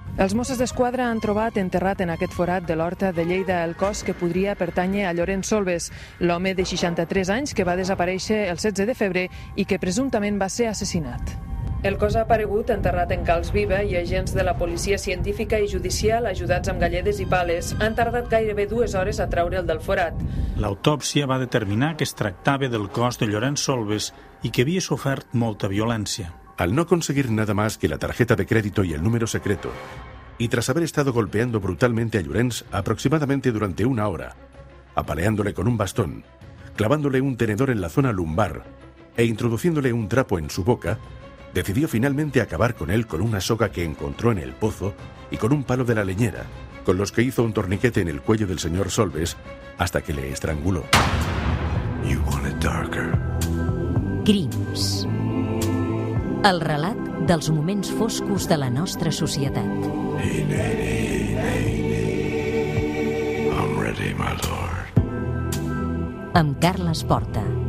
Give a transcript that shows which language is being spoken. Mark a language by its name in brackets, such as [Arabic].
[Catalan] Els Mossos d'Esquadra han trobat enterrat en aquest forat de l'Horta de Lleida el cos que podria pertànyer a Llorenç Solves, l'home de 63 anys que va desaparèixer el 16 de febrer i que presumptament va ser assassinat. El cos ha aparegut enterrat en calç viva i agents de la policia científica i judicial, ajudats amb galledes i pales, han tardat gairebé 2 hores a treure'l del forat. L'autòpsia va determinar que es tractava del cos de Llorenç Solves i que havia sofert molta violència. [Spanish] Al no conseguir nada más que la tarjeta de crédito y el número secreto, y tras haber estado golpeando brutalmente a Llorenç aproximadamente durante 1 hora, apaleándole con un bastón, clavándole un tenedor en la zona lumbar e introduciéndole un trapo en su boca, decidió finalmente acabar con él con una soga que encontró en el pozo y con un palo de la leñera, con los que hizo un torniquete en el cuello del señor Solves hasta que le estranguló. [English] You want it darker. Crims. [Catalan] El relat dels moments foscos de la nostra societat. [English] I'm ready, my lord. [Catalan] Amb Carles Porta.